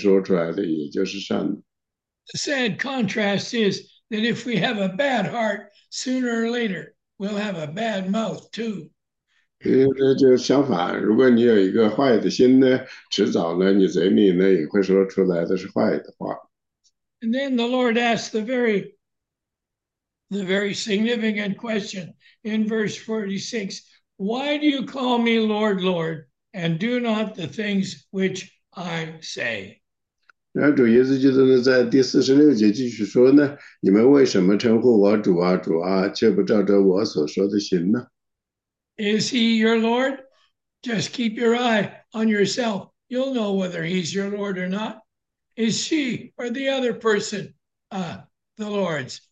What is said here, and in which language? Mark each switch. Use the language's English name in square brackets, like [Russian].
[Chinese] 这个里面呢，就是啊，这个里面呢就讲到的，主啊，就是说从我们内心呢，我们都想要做一个好人。那么说呢，我们就要准备好，准备好呢，就是说是从我们的内心呢说出，准备好我们的内心友善。那么说呢，我们从嘴里说出来的也就是善。The [English] sad contrast is that if we have a bad heart, sooner or later, we'll have a bad mouth too. [Chinese] 就相反，如果你有一个坏的心呢，迟早呢，你嘴里呢也会说出来的是坏的话。And [English] then the Lord asked the very significant question in verse 46, why do you call me Lord, Lord, and do not the things which I say? [Chinese] 然后主耶稣基督呢，在第46节继续说呢，你们为什么称呼我主啊，主啊，却不照着我所说的行呢？ [English] Is he your Lord? Just keep your eye on yourself. You'll know whether he's your Lord or not. Is she or the other person the Lord's?